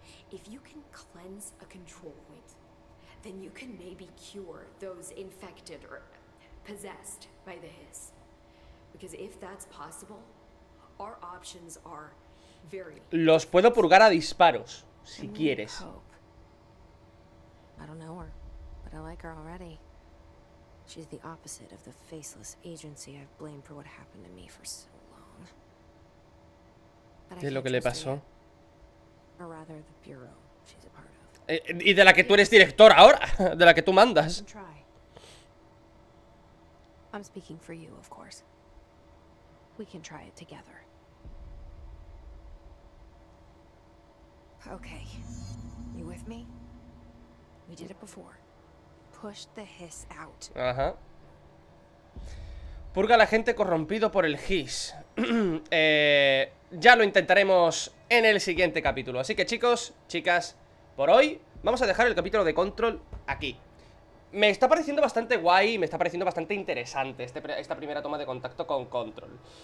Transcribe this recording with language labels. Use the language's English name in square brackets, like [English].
[English] If you can cleanse a control point, then you can maybe cure those infected or possessed by the hiss. Because if that's possible, our options are very... [Spanish] Los puedo purgar a disparos, si quieres. [English] I don't know her, but I like her already. She's the opposite of the faceless agency I've blamed for what happened to me for so long. [Spanish] ¿Qué es lo que le pasó? [English] Or rather, the bureau she's a part of. [Spanish] Y de la que tú eres director ahora, de la que tú mandas. [English] I'm speaking for you, of course. We can try it together. Okay. You with me? We did it before. Push the hiss out. Uh-huh. [Spanish] Purga al agente corrompido por el GIS. Ya lo intentaremos en el siguiente capítulo. Así que chicos, chicas, por hoy vamos a dejar el capítulo de Control aquí. Me está pareciendo bastante guay, me está pareciendo bastante interesante esta primera toma de contacto con Control.